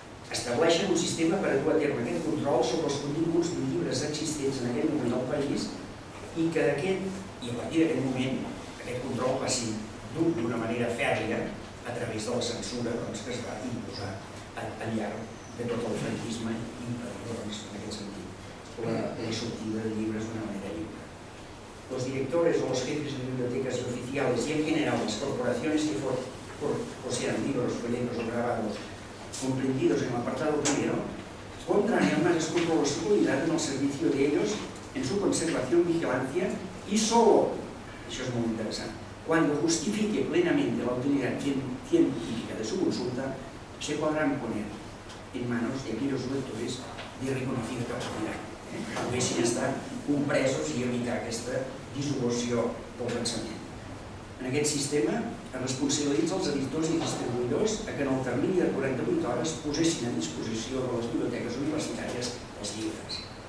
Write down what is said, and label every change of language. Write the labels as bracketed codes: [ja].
[ca] Estableixen un sistema per dur a terme aquest control sobre els continguts de llibres existents en aquest moment al país i que a partir d'aquest moment aquest control passi d'una manera fèrria a través de la censura que es va imposar al llarg de tot el franquisme i imperadors en aquest sentit, la sortida de llibres d'una manera lliure. [es] Los directores o los jefes de bibliotecas oficiales y en general las corporaciones que poseían libros, folletos o grabados comprendidos en el apartado primero, contraen el más escrupuloso seguridad en el servicio de ellos, en su conservación, vigilancia y solo, eso es muy interesante, cuando justifique plenamente la utilidad científica de su consulta, se podrán poner en manos de aquellos lectores de reconocida capacidad. [ca] Poguessin estar compresos i evitar aquesta dissolució del pensament. En aquest sistema es responsabilitza els editors i distribuïdors a que en el termini de 48 hores posessin a disposició de les biblioteques universitàries els llibres.